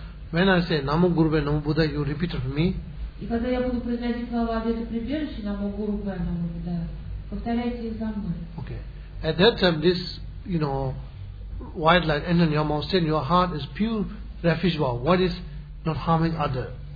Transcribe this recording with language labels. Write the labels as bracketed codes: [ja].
[en] When I say Namo Gurve Namo Buddha, you repeat after me. [ru] И когда я буду произносить слова Адвайта Прибежище, Намо Гуру Бхай Намо Буддха, повторяйте их за мной. [en] Okay. At that time, this, you know, white light entering your mouth, saying your heart is pure refuge of what is not harming other.